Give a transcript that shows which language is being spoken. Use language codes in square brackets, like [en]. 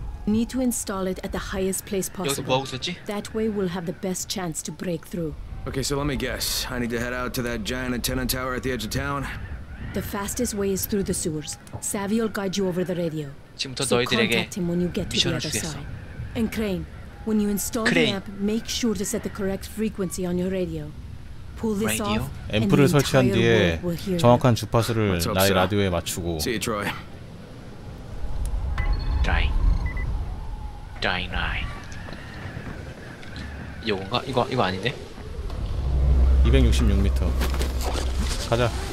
[en] Need to install it at the highest place possible. [ko] 여기서 뭐 하고 있었지? [en] That way we'll have the best chance to break through. Okay, so let me guess. I need to head out to that giant antenna tower at the edge of town. The fastest way is through the sewers. Savvy will guide you over the radio. [ko] 지금부터 너희들에게 미션을 주겠어. [en] And Crane, when you install the app, make sure to set the correct frequency on your radio. Pull this off, and the entire world. [ko] 앰프를 설치한 뒤에 정확한 주파수를 나의 라디오에 맞추고. [en] See you, Troy. Dying. [ko] 이건가? 이거 아닌데? 266m. 가자.